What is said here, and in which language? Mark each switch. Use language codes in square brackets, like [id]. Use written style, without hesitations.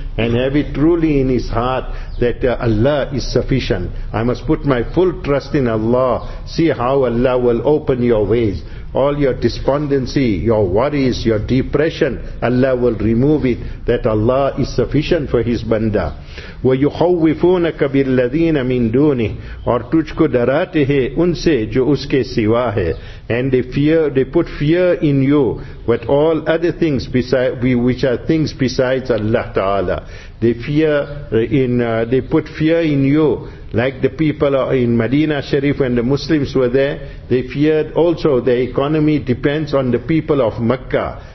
[en] And have it truly in his heart that Allah is sufficient. I must put my full trust in Allah. See how Allah will open your ways. All your despondency, your worries, your depression, Allah will remove it, that Allah is sufficient for His banda. [ar] وَيُخَوِّفُونَكَ بِالَّذِينَ مِنْ دُونِهِ [ur] اور تُجھ کو دراتے ہیں ان سے جو اس کے سوا ہے. [en] And they put fear in you with all other things which are things besides Allah Ta'ala. They put fear in you, like the people in Medina Sharif when the Muslims were there. They feared also the economy depends on the people of Makkah.